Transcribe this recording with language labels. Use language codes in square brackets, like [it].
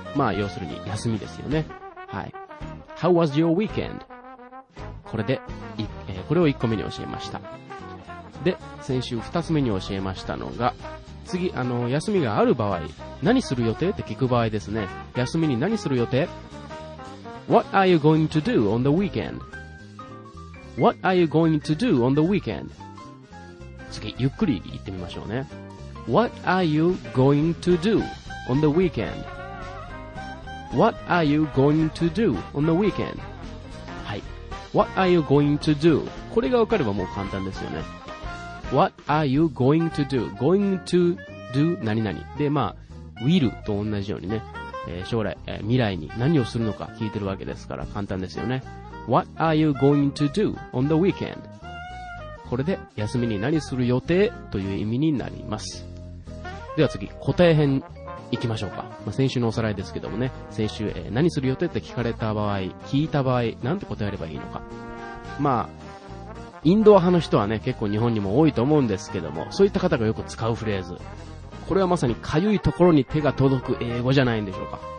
[ja] まあ、要するに休みですよね。 [en] はい。How was your weekend? [ja] これで、これを1個目に教えました。で、先週2つ目に教えましたのが、次、休みがある場合、何する予定って聞く場合ですね。休みに何する予定？ [en] What are you going to do on the weekend? What are you going to do on the weekend? [ja] 次、ゆっくり言ってみましょうね。 [en] What are you going to do on the weekend? What are you going to do on the weekend? はい。What are you going to do? [ja] これがわかればもう簡単ですよね。 [en] What are you going to do? [ja] Going to do 何々で、まあ、will と同じようにね、将来、未来に何をするのか聞いてるわけですから簡単ですよね。 [en] What are you going to do on the weekend? [ja] これで休みに何する予定という意味になります。では次、答え編行きましょうか。まあ、先週のおさらいですけどもね、先週、何する予定って聞かれた場合、聞いた場合、なんて答えればいいのか。まあ、インド派の人はね結構日本にも多いと思うんですけども、そういった方がよく使うフレーズ、これはまさにかゆいところに手が届く英語じゃないんでしょうか。